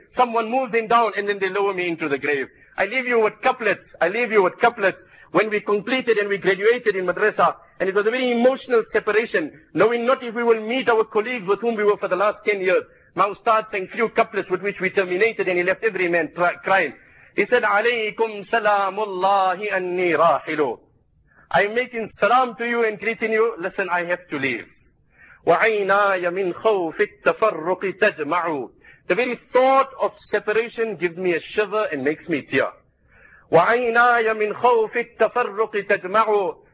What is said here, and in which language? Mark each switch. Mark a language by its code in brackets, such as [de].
[en] Someone moves him down, and then they lower me into the grave. I leave you with couplets. I leave you with couplets. When we completed and we graduated in madrasa, and it was a very emotional separation, knowing not if we will meet our colleagues with whom we were for the last 10 years. Now start saying few couplets with which we terminated, and he left every man crying. He said, [ar] عَلَيْكُمْ سَلَامُ اللَّهِ أَنِّي رَاحِلُ. [en] I'm making salam to you and greeting you. Listen, I have to leave. [ar] وَعَيْنَايَ مِنْ خَوْفِ التَّفَرُّقِ تَجْمَعُ. [en] The very thought of separation gives me a shiver and makes me tear. [ar] وَعَيْنَايَ مِنْ خَوْفِ التَّفَرُّقِ تَجْمَعُ.